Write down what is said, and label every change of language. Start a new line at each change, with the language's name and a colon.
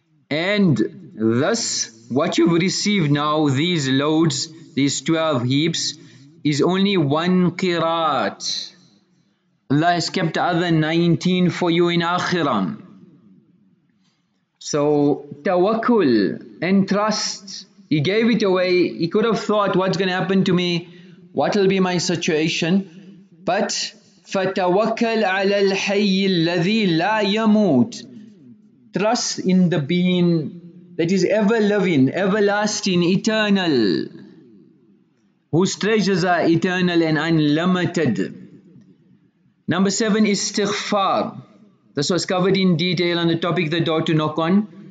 English: And thus, what you've received now, these loads, these 12 heaps, is only 1 qirat. Allah has kept the other 19 for you in akhirah." So, tawakkul and trust. He gave it away. He could have thought, "What's going to happen to me? What will be my situation?" But
Arabic: فَتَوَكَّلْ عَلَى الْحَيِّ الَّذِي لَا يَمُوتُ.
English: Trust in the being that is ever living, everlasting, eternal, whose treasures are eternal and unlimited. Number 7, istighfar. This was covered in detail on the topic, the door to knock on.